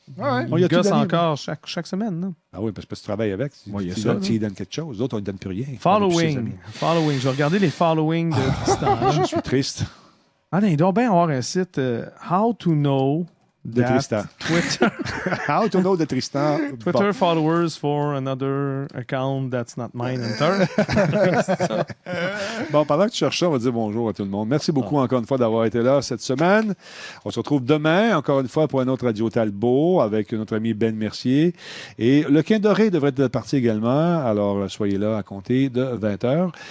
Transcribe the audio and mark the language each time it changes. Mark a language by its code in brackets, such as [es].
[fr] Ouais, ouais. On y a tout donné. Encore chaque semaine, non? Ah oui, parce que tu travailles avec. Tu lui donnes quelque chose. D'autres, on ne lui donne plus rien. [en] Following. [fr] Je vais regarder les following de Tristan. Je suis triste. Ah, il doit bien avoir un site [en] How to know [fr] de Tristan. Twitter. [en] How to know [fr] de Tristan. Twitter bon. [en] Followers for another account that's not mine in turn. [fr] Bon, pendant que tu cherches ça, on va dire bonjour à tout le monde. Merci beaucoup encore une fois d'avoir été là cette semaine. On se retrouve demain, encore une fois, pour un autre Radio Talbot avec notre ami Ben Mercier. Et le Quin Doré devrait être parti également. Alors, soyez là à compter de 20h.